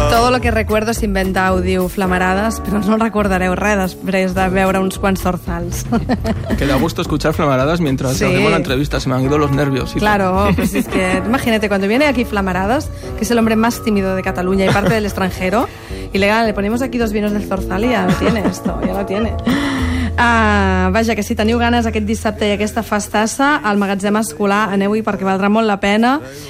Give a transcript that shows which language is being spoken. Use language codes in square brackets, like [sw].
[es] Lo que recuerdo es inventar, [ca] diu Flamaradas, però no recordareu res després de veure uns quants Zorzals. [es] Que da gusto escuchar Flamaradas mientras hacemos la entrevista, se me han ido los nervios. Claro, pues es que imagínate, cuando viene aquí Flamaradas, que es el hombre más tímido de Cataluña y parte del extranjero, y le ponemos aquí dos vinos del Zorzal y ya lo tiene esto, ya lo tiene. [ca] Ah, vaja, que si teniu ganes aquest dissabte i aquesta festassa al magatzem Escolà, aneu-hi perquè valdrà molt la pena.